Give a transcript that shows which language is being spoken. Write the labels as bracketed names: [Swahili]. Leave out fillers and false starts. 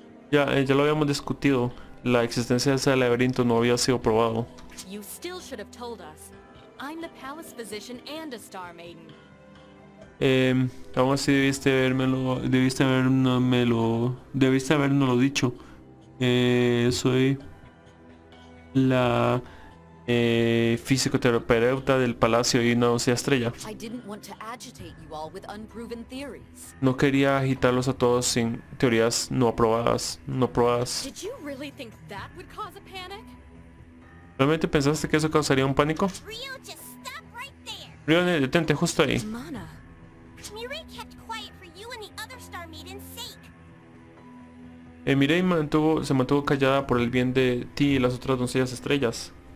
[Spanish] Ya lo habíamos discutido. La existencia de ese laberinto no había sido probado. [English] You still should have told us. I'm the palace physician and a star maiden. [Spanish] Aún así debiste habernoslo dicho. Soy la fisioterapeuta del palacio y una doncella estrella. [English] I didn't want to agitate you all with unproven theories. [Spanish] No quería agitarlos a todos sin teorías no probadas. [English] Did you really think that would cause a panic? [Spanish] ¿Realmente pensaste que eso causaría un pánico? [English] Ryo, just stop right there. [Spanish] Ryo, detente justo ahí. Mana. [English] Mirei kept quiet for you and the other star maiden's sake. [Spanish] Mirei se mantuvo callada por el bien de ti y las otras doncellas estrellas.